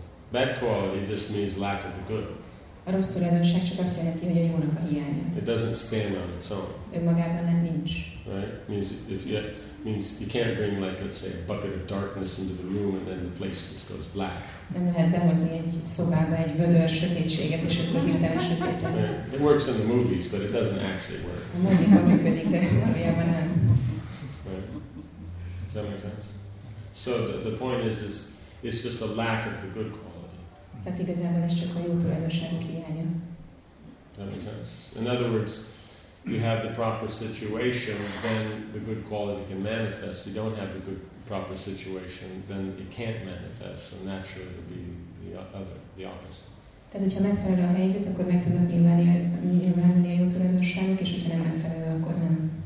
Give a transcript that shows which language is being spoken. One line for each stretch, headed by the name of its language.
English: Bad quality just means lack of the good.
Hungarian: A rossz tulajdonság csak azt jelenti, hogy a jónak a hiánya.
English: It doesn't stand on its own.
Hungarian: Önmagában nem nincs.
English: Right? Means you can't bring, like, let's say, a bucket of darkness into the room and then the place just goes black.
Hungarian: Nem lehet behozni egy szobába egy vödör sötétséget, és akkor hirtelen sötét lesz.
English: It works in the movies, but it doesn't actually work.
Hungarian: A mozikba működik, de valójában nem.
English: Does that make sense? So the point is it's just a lack of the good quality.
Hungarian: Tehát igazából ez csak a jó tulajdonságok hiánya.
English: Does that make sense? In other words, you have the proper situation, then the good quality can manifest. You don't have the good proper situation, then it can't manifest. So naturally, it'll be the opposite.
Hungarian: Tehát, hogyha megfelelő a helyzet, akkor meg tudod nyilvánulni a jó tulajdonságok, és hogyha nem megfelelő, akkor nem.